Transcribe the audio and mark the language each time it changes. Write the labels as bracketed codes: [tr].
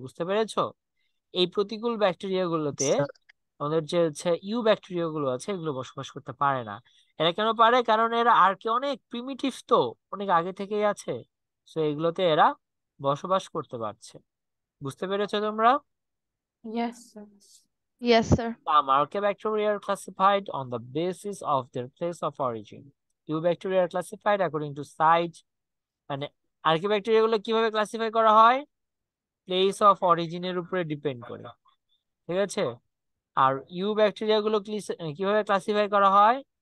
[bn] বুঝতে পেরেছো? এই প্রতিকূল ব্যাকটেরিয়া গুলোতে স্যার আমাদের যে হচ্ছে ইউ ব্যাকটেরিয়া গুলো আছে, এগুলো বসবাস করতে পারে না। এরা কেন পারে? কারণ এরা আর্কে অনেক প্রিমিটিভ, তো অনেক আগে থেকেই আছে, তো এগুলোতে এরা বসবাস করতে পারছে। বুঝতে পেরেছো তোমরা? [en] Yes sir, yes sir, Some Archaebacteria are classified on the basis of their place of origin. Eubacteria are classified according to site. [bn] মানে Archaebacteria গুলো কিভাবে ক্লাসিফাই করা হয়? Place of origin এর উপরে ডিপেন্ড করে, ঠিক আছে? আর Eubacteria গুলো কিভাবে ক্লাসিফাই করা হয়?